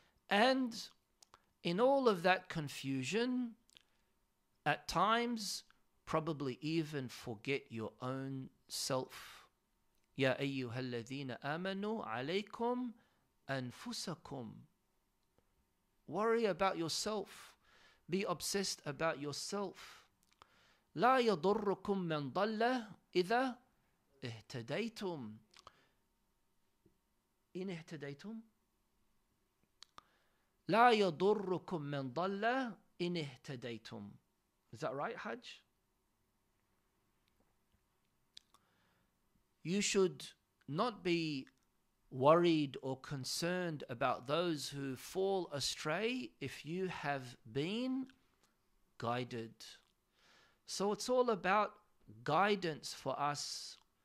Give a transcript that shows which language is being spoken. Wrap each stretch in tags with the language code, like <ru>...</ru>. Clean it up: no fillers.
<en>And in all of that confusion, at times, probably even forget your own self.</en> <ar>Ya ayyuhalladhina amanu alaykum anfusakum.</ar> <en>Worry about yourself. Be obsessed about yourself.</en> <ar>لا يضركم من ضل إذا اهتديتم. إن اهتديتم. لا يضركم من ضل إن اهتديتم.</ar> <en>Is that right, Hajj? You should not be worried or concerned about those who fall astray if you have been guided. So it's all about guidance for us.</en>